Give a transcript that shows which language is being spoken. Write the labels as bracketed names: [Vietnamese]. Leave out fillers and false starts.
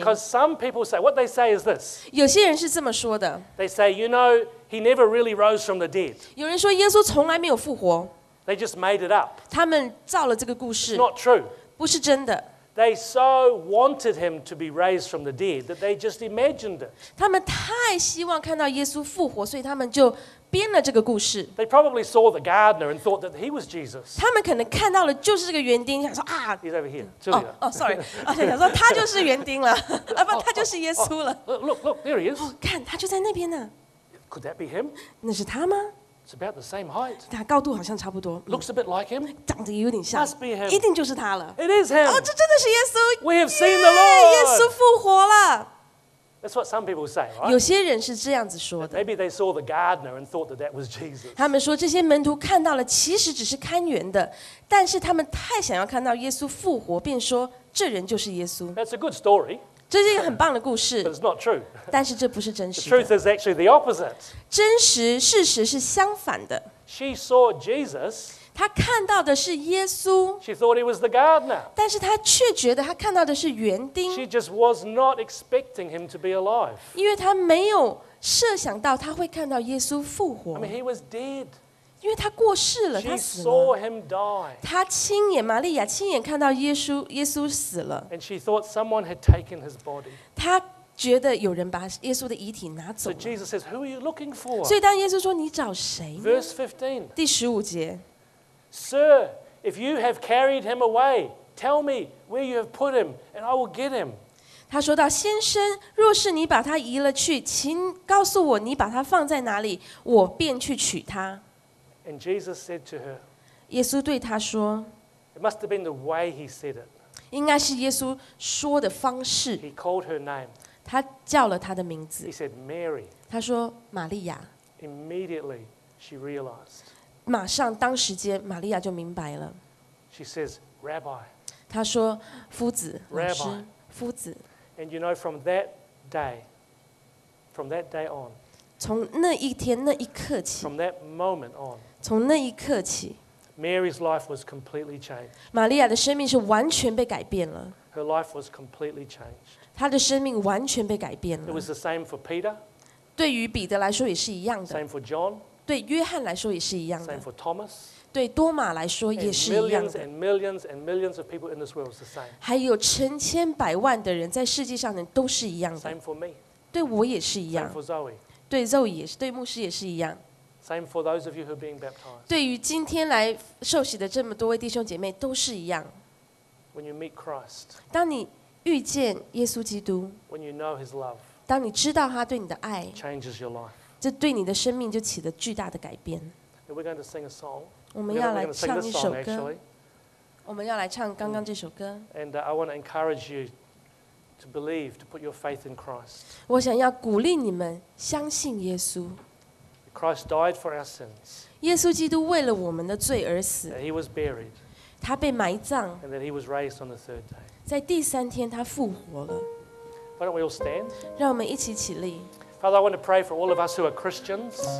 [English] Because some people say what they say is this. [Chinese] 有些人是这么说的。 [English] They say, you know, he never really rose from the dead. [Chinese] 有人说耶稣从来没有复活。 [English] They just made it up. [Chinese] 他们造了这个故事。 [English] Not true. [Chinese] 不是真的。 [English] They so wanted him to be raised from the dead that they just imagined it. [Chinese] 他们太希望看到耶稣复活，所以他们就编了这个故事。 [English] They probably saw the gardener and thought that he was Jesus. [Chinese] 他们可能看到了就是这个园丁，想说啊 [English] ，He's over here. [Chinese] 想说他就是园丁了，不，他就是耶稣了。 [English] Look, there he is. [Chinese] 看，他就在那边呢。 [English] Could that be him? [Chinese] 那是他吗？ [English] It's about the same height. [Chinese] 他高度好像差不多。 [English] Looks a bit like him. [Chinese] 长得有点像。 [English] Must be him. [Chinese] 一定就是他了。 [English] It is him. [Chinese] 哦，这真的是耶稣。 [English] We have seen the Lord. [Chinese] 耶稣复活了。 [English] That's what some people say, right? [Chinese] 有些人是这样子说的。 [English] Maybe they saw the gardener and thought that that was Jesus. [Chinese] 他们说这些门徒看到了，其实只是看园的，但是他们太想要看到耶稣复活，便说这人就是耶稣。 [English] That's a good story. [Chinese] 这是一个很棒的故事 [English] But it's not true. [Chinese] 但是这不是真实的 [English] The truth is actually the opposite. [Chinese] 真实事实是相反的 [English] She saw Jesus. [Chinese] 她看到的是耶稣 [English] She thought he was the gardener. [Chinese] 但是她却觉得她看到的是园丁 [English] She just was not expecting him to be alive. [Chinese] 因为她没有设想到她会看到耶稣复活 [English] I mean, he was dead. [Chinese] 因为她过世了 [English] She [Chinese] 她死了 [English] saw him die. [Chinese] 她亲眼玛利亚亲眼看到耶稣死了 [English] And she thought someone had taken his body. [Chinese] 她觉得有人把耶稣的遗体拿走了 [English] So Jesus says, "Who are you looking for?" [Chinese] 所以当耶稣说你找谁呢 [English] Verse 15. [Chinese] 第十五节 [English] Sir, if you have carried him away, tell me where you have put him, and I will get him. [Chinese] 她说到先生，若是你把他移了去，请告诉我你把他放在哪里，我便去取他。 [English] And Jesus said to her, [Chinese] 耶稣对她说, [English] It must have been the way he said it. [Chinese] 应该是耶稣说的方式。 [English] He called her name. [Chinese] 他叫了她的名字。 [English] He said, Mary. [Chinese] 他说玛利亚。 [English] Immediately, she realized. [Chinese] 马上当时间玛利亚就明白了。 [English] She says, Rabbi. [Chinese] 他说夫子老师。夫子。 [English] And you know, from that day on, [Chinese] 从那一天那一刻起 [English] from that moment on, [Chinese] 从那一刻起 [English] Mary's life was completely changed. [Chinese] 玛利亚的生命是完全被改变了。 [English] Her life was completely changed. [Chinese] 她的生命完全被改变了。 [English] It was the same for Peter. [Chinese] 对于彼得来说也是一样的。 [English] Same for John. [Chinese] 对约翰来说也是一样的。 [English] Same for Thomas. [Chinese] 对多马来说也是一样的。 [English] And millions and millions and millions of people in this world is the same. [Chinese] 还有成千百万的人在世界上的人都是一样的。 [English] Same for me. [Chinese] 对我也是一样。 [English] Same for Zoe. [Chinese] 对 Zoe 也是，对牧师也是一样。 [English] Same for those of you who are being baptized. [Chinese] 对于今天来受洗的这么多位弟兄姐妹都是一样。 [English] When you meet Christ. [Chinese] 当你遇见耶稣基督。 [English] When you know His love. [Chinese] 当你知道他对你的爱。 [English] Changes your life. [Chinese] 这对你的生命就起了巨大的改变。 [English] We're going to sing a song. [Chinese] 我们要来唱一首歌。我们要来唱刚刚这首歌。 [English] And I want to encourage you. To believe, to put your faith in Christ. [Chinese] 我想要鼓励你们相信耶稣。 [English] Christ died for our sins. [Chinese] 耶稣基督为了我们的罪而死。 [English] That he was buried. [Chinese] 他被埋葬。 [English] And that he was raised on the third day. [Chinese] 在第三天他复活了。 [English] Why don't we all stand? [Chinese] 让我们一起起立。 [English] Father, I want to pray for all of us who are Christians.